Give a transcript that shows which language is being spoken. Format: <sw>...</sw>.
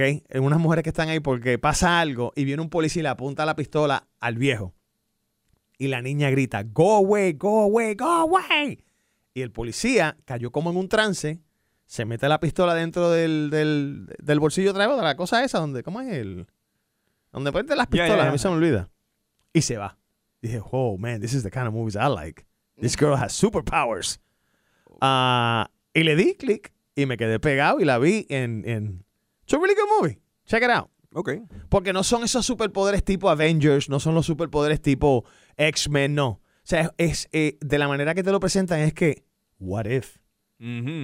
<es>En unas mujeres que están ahí porque pasa algo y viene un policía y le apunta la pistola al viejo. Y la niña grita,</es> <en>go away, go away, go away.</en> <es>Y el policía cayó como en un trance, se mete la pistola dentro del bolsillo otra vez, de la cosa esa, donde, ¿cómo es el? Donde ponen las pistolas, a mí se me olvida. Y se va. Y dije,</es> <en>oh man, this is the kind of movies I like. This girl has superpowers.</en> <es>Y le di click y me quedé pegado y la vi en</es> <en>It's a really good movie. Check it out. Okay.</en> <es>Porque no son esos superpoderes tipo Avengers, no son los superpoderes tipo X-Men, no. O sea, es de la manera que te lo presentan es que,</es> <en>what if?</en> <es>Mm-hmm.</es>